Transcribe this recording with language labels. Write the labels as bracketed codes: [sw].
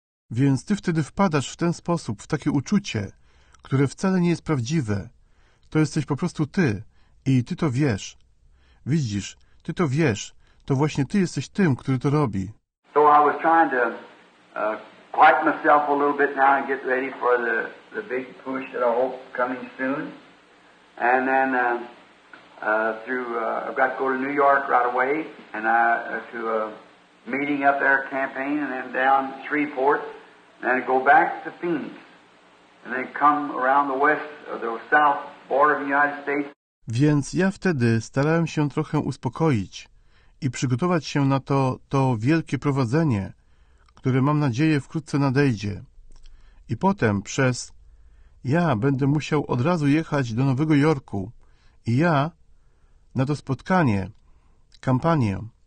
[pl] Więc ty wtedy wpadasz w ten sposób, w takie uczucie, które wcale nie jest prawdziwe. To jesteś po prostu ty i ty to wiesz. Widzisz, ty to wiesz. To właśnie ty jesteś tym, który to robi. [en] So I was trying to quiet myself a little bit now and get ready for the big push that I hope coming soon. And then I've got to go to New York right away, and I to a meeting up there, campaign, and then down Shreveport, and then go back to Phoenix, and then come around the west of the south border of the United States. [pl] Więc ja wtedy starałem się trochę uspokoić i przygotować się na to wielkie prowadzenie, które mam nadzieję wkrótce nadejdzie, i potem przez ja będę musiał od razu jechać do Nowego Jorku i ja na to spotkanie, kampanię,